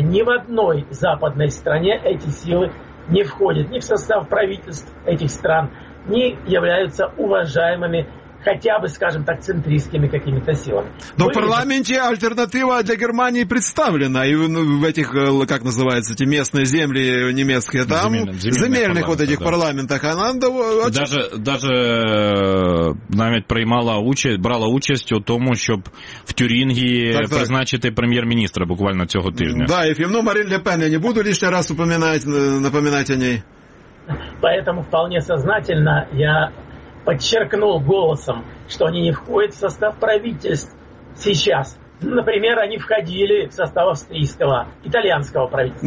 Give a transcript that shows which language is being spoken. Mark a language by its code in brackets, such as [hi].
[ru] Ни в одной западной стране эти силы не входят ни в состав правительств этих стран, ни являются уважаемыми хотя бы, скажем так, центристскими какими-то силами. Но в парламенте альтернатива для Германии представлена. И в этих, как называются, эти местные земли немецкие, там, земельных вот этих парламентах, она... [uk] Даже навіть приймала участь, брала участь у тому, щоб в Тюрингії призначити прем'єр-міністра буквально цього тижня. [ru] Да, Ефим, ну Марин Ле Пен, я не буду лишний раз напоминать о ней. Поэтому вполне сознательно я... подчеркнул голосом, что они не входят в состав правительств сейчас. Например, они входили в состав австрийского, итальянского правительства.